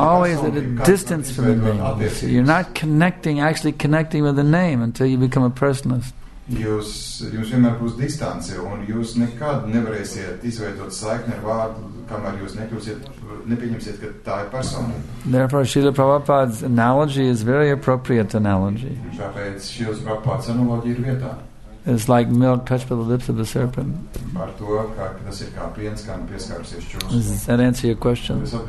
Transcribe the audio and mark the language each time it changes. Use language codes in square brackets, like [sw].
[en] you're always at a distance from the name. So you're not actually connecting with the name until you become a personalist. [lv] Jūs vienmēr būs distance, un jūs nekad nevarēsiet izveidot saikni ar vārdu, kamēr jūs nepieņemsiet, ka tā ir persona. [en] Therefore, Srila Prabhupāda's analogy is very appropriate analogy. [lv] Tāpēc Srila Prabhupāda's analogy ir vietā. [en] It's like milk touched by the lips of the serpent. Does that answer your question?